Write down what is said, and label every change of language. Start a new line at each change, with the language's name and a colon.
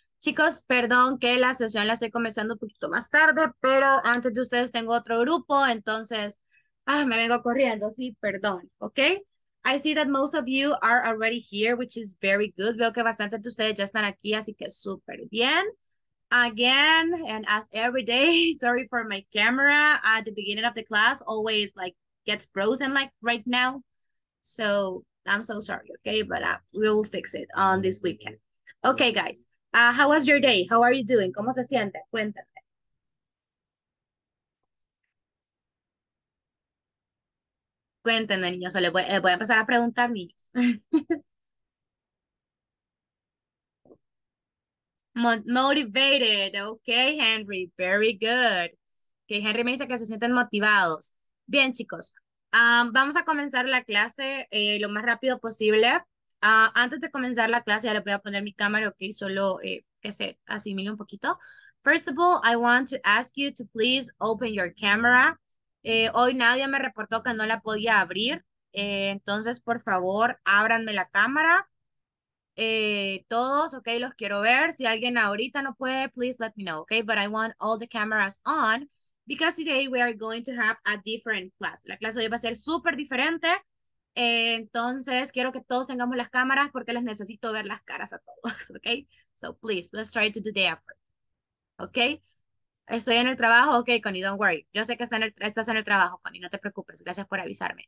Spanish: Chicos, perdón que la sesión la estoy comenzando un poquito más tarde, pero antes de ustedes tengo otro grupo, entonces me vengo corriendo, sí, perdón, ¿ok?
English: I see that most of you are already here, which is very good.
Spanish: Veo que bastante de ustedes ya están aquí, así que súper bien.
English: Again, and as every day, sorry for my camera, at the beginning of the class, always like gets frozen like right now. So I'm so sorry, okay, but we will fix it on this weekend. Okay, guys, how was your day? How are you doing?
Spanish: ¿Cómo se siente? Cuéntame. Cuéntame, niños. Voy a empezar a preguntar, niños.
English: Motivated, okay, Henry. Very good.
Spanish: Okay, Henry me dice que se sienten motivados. Bien, chicos. Vamos a comenzar la clase lo más rápido posible. Antes de comenzar la clase, ya le voy a poner mi cámara, ok, solo que se asimile un poquito.
English: First of all, I want to ask you to please open your camera.
Spanish: Hoy nadie me reportó que no la podía abrir. Entonces, por favor, ábranme la cámara. Todos, ok, los quiero ver. Si alguien ahorita no puede,
English: please let me know, ok? But I want all the cameras on. Because today we are going to have a different class.
Spanish: La clase de hoy va a ser súper diferente. Entonces, quiero que todos tengamos las cámaras porque les necesito ver las caras a todos, ¿ok?
English: So, please, let's try to do the effort, ¿ok?
Spanish: Estoy en el trabajo,
English: ok, Connie, don't worry.
Spanish: Yo sé que estás en el trabajo, Connie, no te preocupes. Gracias por avisarme.